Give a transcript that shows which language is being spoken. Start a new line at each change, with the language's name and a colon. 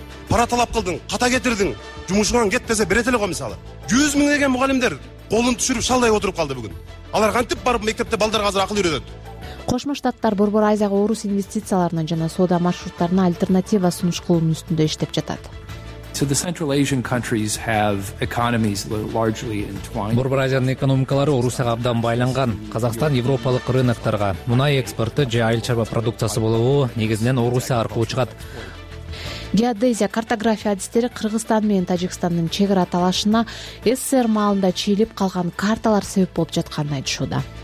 Kyrgyz: Пара талап кылдың, ката кетирдің, жумушуңан кет десе берет эле го мисалы. 100 миң деген мугалимдер колун түшүрүп шалдай отуруп калды бүгүн. Алар кантип барып мектепте балдарга азыр акыл үйрөтөт? Кошмо Штаттар Борбор Азияга орус инвестицияларына жана соода маршруттарына альтернатива сунуш кылуунун үстүндө иштеп жатат.
English: So the Central Asian countries have economies largely entwined.
Kyrgyz: Борбор Азиянын экономикалары Орусияга абдан байланган. Казакстан Европалык рынокторго мунай экспорту же айыл чарба продукциясы болобу негизинен Орусия аркылуу чыгат. Геодезия, картография адистери Кыргызстан менен Тажикстандын чек ара талашына СССР маалында чийилип калган карталар себеп болуп жатканын айтышууда.